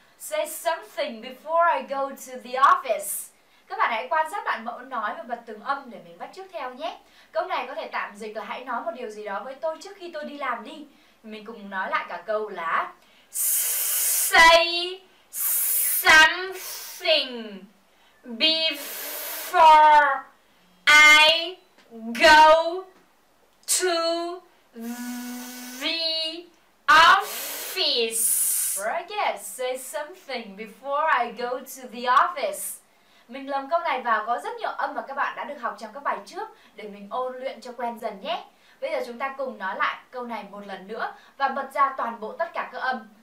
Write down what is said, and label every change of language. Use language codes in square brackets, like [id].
[en] Say something before I go to the office. [vi] Các bạn hãy quan sát bạn mẫu nói và bật từng âm để mình bắt chước theo nhé. Câu này có thể tạm dịch là hãy nói một điều gì đó với tôi trước khi tôi đi làm đi. Mình cùng nói lại cả câu là [en] say something before I go to the office. Right, say something before I go to the office. [vi] Mình lồng câu này vào có rất nhiều âm mà các bạn đã được học trong các bài trước để mình ôn luyện cho quen dần nhé. Bây giờ chúng ta cùng nói lại câu này một lần nữa và bật ra toàn bộ tất cả các âm.